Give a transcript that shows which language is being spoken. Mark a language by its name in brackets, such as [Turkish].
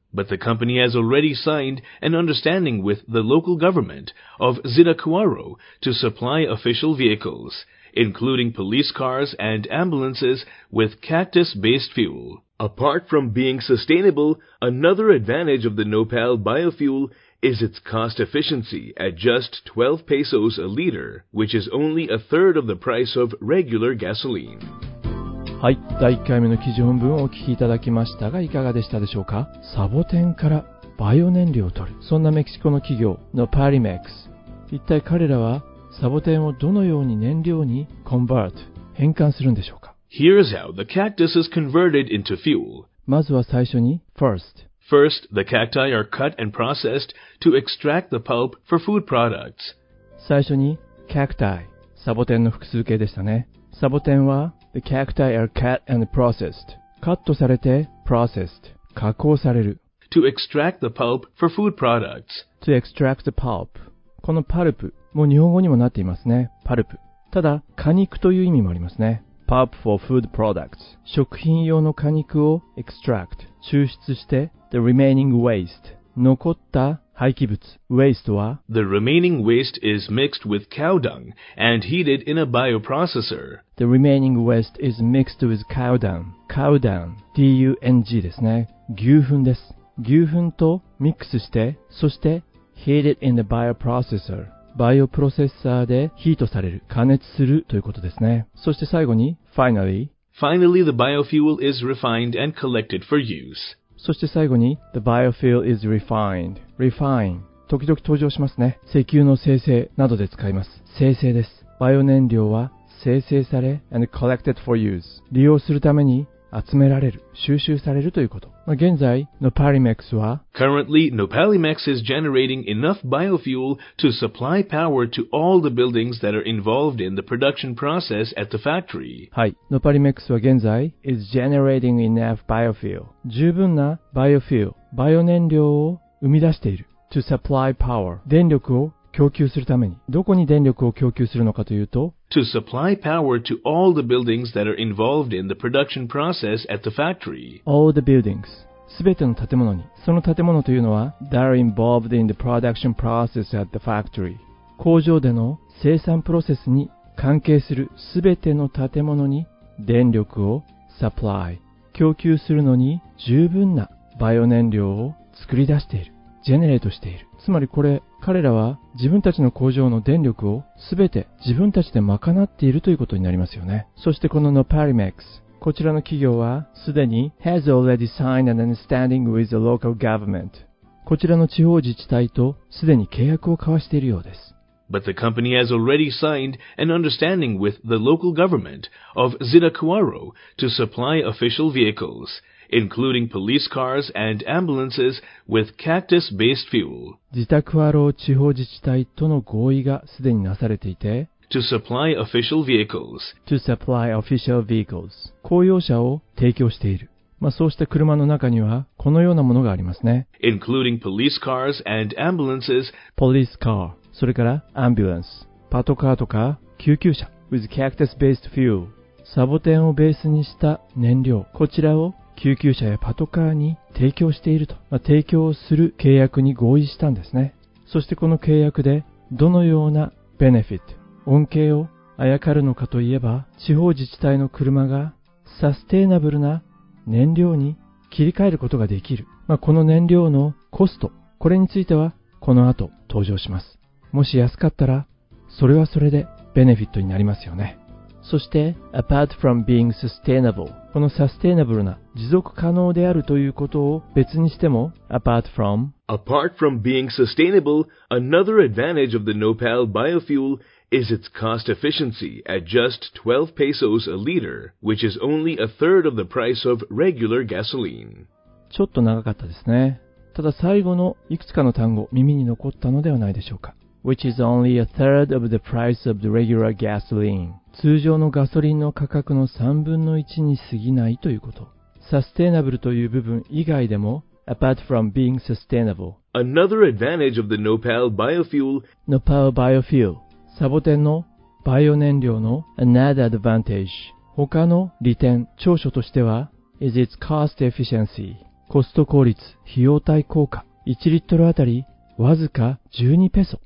[English] But the company has already signed an understanding with the local government of Zinacuaro to supply official vehicles, including police cars and ambulances, with cactus-based fuel. Apart from being sustainable, another advantage of the Nopal biofuel is its cost efficiency at just 12 pesos a liter, which is only a third of the price of regular gasoline. [Japanese] はい、第1回目の記事本文をお聞きいただきましたが、いかがでしたでしょうか。サボテンからバイオ燃料を取る、そんなメキシコの企業のパリメックス、一体彼らはサボテンをどのように燃料にコンバート、変換するんでしょうか。 [English] Here's how the cactus is converted into fuel. [Japanese] まずは最初に [English] First First, the cacti are cut and processed to extract the pulp for food products. [Japanese] 最初に cacti、サボテンの複数形でしたね。サボテンは [English] the cacti are cut and processed. [Japanese] カットされて processed、加工される。 [English] To extract the pulp for food products. To extract the pulp. [Japanese] このパルプ、もう日本語にもなっていますね。パルプ。ただ果肉という意味もありますね。 [English] Pulp for food products. [Japanese] 食品用の果肉を extract、抽出して。 [English] The remaining waste. [Japanese] 残った廃棄物。 [English] Waste は The remaining waste is mixed with cow dung and heated in a bioprocessor. The remaining waste is mixed with cow dung. Cow dung. [Japanese] D-U-N-G ですね。牛糞です。牛糞とミックスして、そして [English] heated in a bioprocessor. [Japanese] バイオプロセッサーでヒートされる。加熱するということですね。そして最後に finally. [English] Finally, the biofuel is refined and collected for use. [Japanese] そして最後に [English] The biofuel is refined. Refine. [Japanese] 時々登場しますね。石油の精製などで使います。精製です。バイオ燃料は精製され、 [English] and collected for use。 [Japanese] 利用するために集められる、収集されるということ。まあ、現在、Nopalimex は、 [English] Currently, Nopalimex is generating enough biofuel to supply power to all the buildings that are involved in the production process at the factory. [Japanese] はい。Nopalimex は現在、 [English] is generating enough biofuel。 [Japanese] 十分な biofuel、バイオ燃料を生み出している。 [English] to supply power。 [Japanese] 電力を供給するために。どこに電力を供給するのかというと、 [English] To supply power to all the buildings that are involved in the production process at the factory. All the buildings. [Japanese] すべての建物に。その建物というのは、 [English] that are involved in the production process at the factory. [Japanese] 工場での生産プロセスに関係するすべての建物に電力を supply。供給するのに十分なバイオ燃料を作り出している。ジェネレートしている。つまりこれ、彼らは自分たちの工場の電力をすべて自分たちで賄っているということになりますよね。そしてこの Nopalimex、こちらの企業はすでに [English] has already signed an understanding with the local government。 [Japanese] こちらの地方自治体とすでに契約を交わしているようです。 [English] But the company has already signed an understanding with the local government of Zitacuaro to supply official vehicles. including police cars and ambulances with cactus-based fuel. [Japanese] ジタクアロー地方自治体との合意がすでになされていて、 [English] to supply official vehicles. to supply official vehicles. [Japanese] 公用車を提供している。まあそうした車の中にはこのようなものがありますね。 [English] including police cars and ambulances. police car. [Japanese] それから ambulance. パトカーとか救急車。 [English] with cactus-based fuel. [Japanese] サボテンをベースにした燃料。こちらを救急車やパトカーに提供していると、まあ、提供する契約に合意したんですね。そしてこの契約でどのようなベネフィット、恩恵をあやかるのかといえば、地方自治体の車がサステイナブルな燃料に切り替えることができる。まあ、この燃料のコスト、これについてはこの後登場します。もし安かったら、それはそれでベネフィットになりますよね。そして、 [English] apart from being sustainable、 [Japanese] このサステイナブルな、持続可能であるということを別にしても、apart from [English] being sustainable, another advantage of the Nopal biofuel is its cost efficiency at just 12 pesos a liter, which is only a third of the price of regular gasoline. [Japanese] ちょっと長かったですね。ただ最後のいくつかの単語、耳に残ったのではないでしょうか。 [English] Which is only a third of the price of the regular gasoline. [Japanese] 通常のガソリンの価格の3分の1に過ぎないということ。 Sustainable という部分以外でも、 [English] apart from being sustainable. Another advantage of the Nopal biofuel. Nopal biofuel. [Japanese] サボテンのバイオ燃料の [English] another advantage. [Japanese] 他の利点、長所としては、 [English] is its cost efficiency. [Japanese] コスト効率、費用対効果。1リットルあたり、わずか12ペソ。